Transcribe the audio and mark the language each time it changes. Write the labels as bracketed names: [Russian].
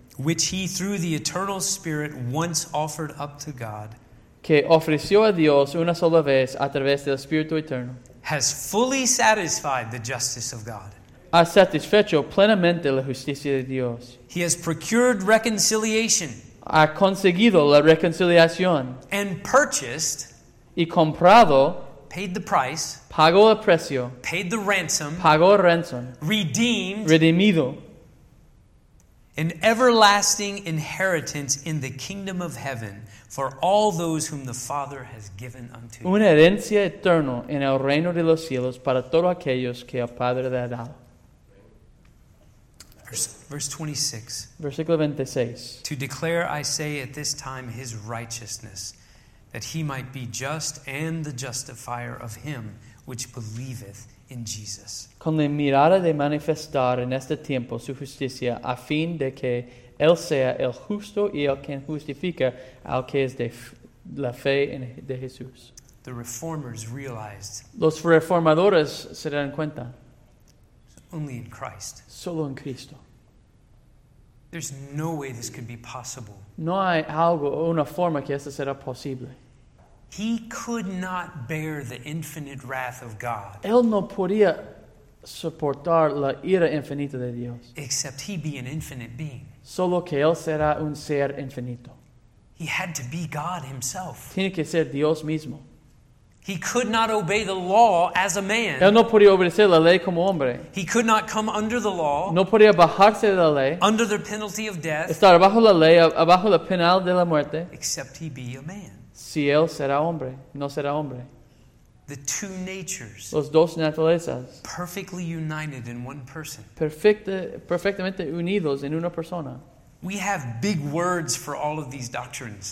[English] Which he, through the eternal Spirit, once offered up to God. [Spanish] Que ofreció a Dios una sola vez a través del Espíritu Eterno. [English] Has fully satisfied the justice of God. [Spanish] Ha satisfecho plenamente la justicia de Dios. [English] He has procured reconciliation. [Spanish] Ha conseguido la reconciliación. [English] And purchased. [Spanish] Y comprado. [English] Paid the price. [Spanish] Pagó el precio. [English] Paid the ransom. [Spanish] Pagó el ransom. [English] Redeemed. [Spanish] Redimido. [English] An everlasting inheritance in the kingdom of heaven for all those whom the Father has given unto [Spanish] him. Una herencia eterna en el reino de los cielos para todos aquellos que el Padre le ha dado. [English] Verse 26. To declare, I say at this time, his righteousness, that he might be just and the justifier of him which believeth in Jesus. [Spanish] Con la mirada de manifestar en este tiempo su justicia, a fin de que él sea el justo y el que justifica al que es de la fe en de Jesús. [English] The reformers realized. [Spanish] Los reformadores se dan cuenta. [English] Only in Christ. [Spanish] Solo en Cristo. [English] There's no way this could be possible. [Spanish] No hay algo, una forma que esto será posible. [English] He could not bear the infinite wrath of God. [Spanish] Él no podía soportar la ira infinita de Dios. [English] Except he be an infinite being. [Spanish] Solo que él será un ser infinito. [English] He had to be God himself. [Spanish] Tiene que ser Dios mismo. [English] He could not obey the law as a man. [Spanish] Él no podía obedecer la ley como hombre. [English] He could not come under the law. [Spanish] No podía bajarse de la ley. [English] Under the penalty of death. [Spanish] Estar bajo la ley, bajo la penal de la muerte. [English] Except he be a man. [Spanish] Si él será hombre, no será hombre. [English] The two natures. [Spanish] Los dos naturalezas. [English] Perfectly united in one person. [Spanish] Perfectamente unidos en una persona. [English] We have big words for all of these doctrines.